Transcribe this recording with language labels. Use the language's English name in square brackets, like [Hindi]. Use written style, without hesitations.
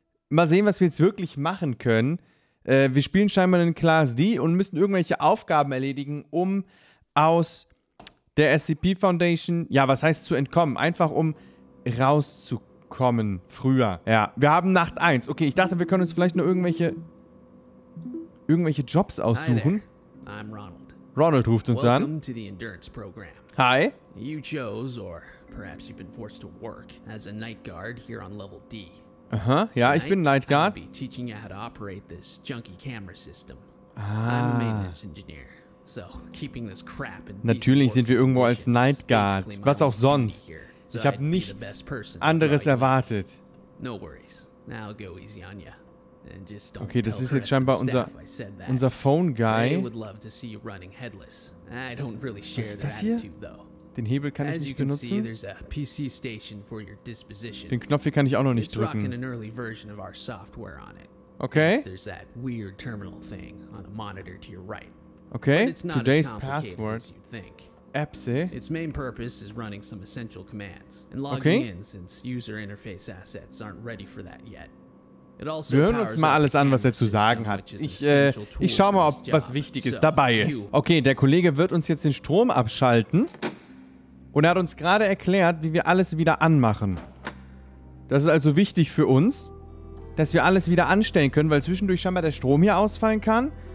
[German] Mal sehen, was wir jetzt wirklich machen können. Wir spielen scheinbar einen Class D und müssen irgendwelche Aufgaben erledigen, um aus der SCP Foundation, ja, was heißt zu entkommen? Einfach um rauszukommen früher. Ja, wir haben Nacht 1. Okay, ich dachte, wir können uns vielleicht nur irgendwelche Jobs aussuchen. [English] Hi, I'm Ronald. [German] Ronald ruft uns an. [English] Welcome to the Endurance Program. Hi. You chose or perhaps you've been forced to work as a night guard here on level D. [German] Ja, ich bin Night Guard. [English] I'll be teaching you how to operate this junky camera system. I'm a maintenance engineer, so keeping this crap in. [German] Natürlich sind wir irgendwo als Night Guard. Was auch sonst. Ich habe nichts anderes erwartet. [English] No worries. Now go easy on ya. And just don't. [German] Okay, das ist jetzt scheinbar unser Phone Guy. [English] I would love to see you running headless. I don't really share that attitude though. [German] Den Hebel kann ich nicht benutzen. [English] See, a PC station for your disposition. [German] Den Knopf hier kann ich auch noch nicht drücken. [English] An early version of our software on it. Okay. There's that weird terminal thing on a monitor to your right. Okay. But it's not today's as password. As you'd think. EPSI. Its main purpose is running some essential commands and logging in since user interface assets aren't ready for that yet. It also [German] wir hören uns mal alles an, was er zu sagen hat. Ich schau mal, ob was Wichtiges dabei ist. Okay, der Kollege wird uns jetzt den Strom abschalten. Und er hat uns gerade erklärt, wie wir alles wieder anmachen. Das ist also wichtig für uns, dass wir alles wieder anstellen können, weil zwischendurch scheinbar der Strom hier ausfallen kann.